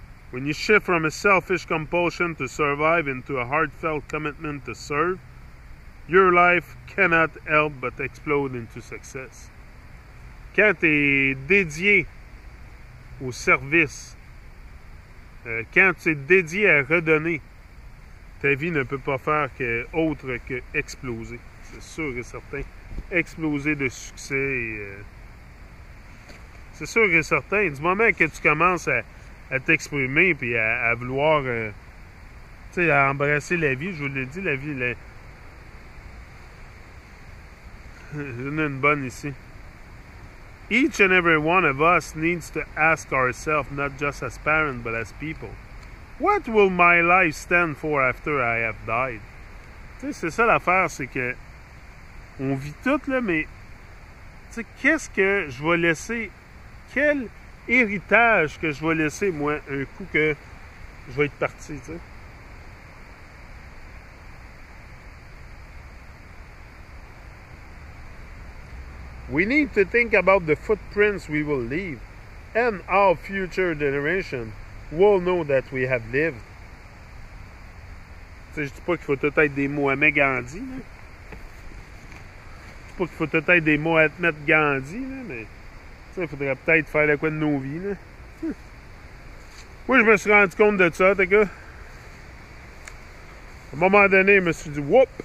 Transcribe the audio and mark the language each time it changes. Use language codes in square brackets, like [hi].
[en] When you shift from a selfish compulsion to survive into a heartfelt commitment to serve, your life cannot help but explode into success. [fr] Quand tu es dédié au service, quand tu es dédié à redonner, ta vie ne peut pas faire que autre que exploser. C'est sûr et certain. Exploser de succès et, c'est sûr et certain. Du moment que tu commences à t'exprimer puis à vouloir t'sais, à embrasser la vie, je vous l'ai dit, la vie. La... J'en ai une bonne ici. [en] Each and every one of us needs to ask ourselves, not just as parents, but as people, what will my life stand for after I have died? [fr] T'sais, c'est ça l'affaire, c'est que on vit tout, là, mais t'sais, qu'est-ce que je vais laisser? Quel héritage que je vais laisser, moi, un coup que je vais être parti, tu sais? [en] We need to think about the footprints we will leave and our future generation will know that we have lived. [fr] Tu sais, je dis pas qu'il faut tout être des Mohamed Gandhi, là. Je dis pas qu'il faut tout être des Mohamed Gandhi, là, mais... Il faudrait peut-être faire le quoi de nos vies. Là. Moi, je me suis rendu compte de ça, t'es gars. À un moment donné, je me suis dit, whoop!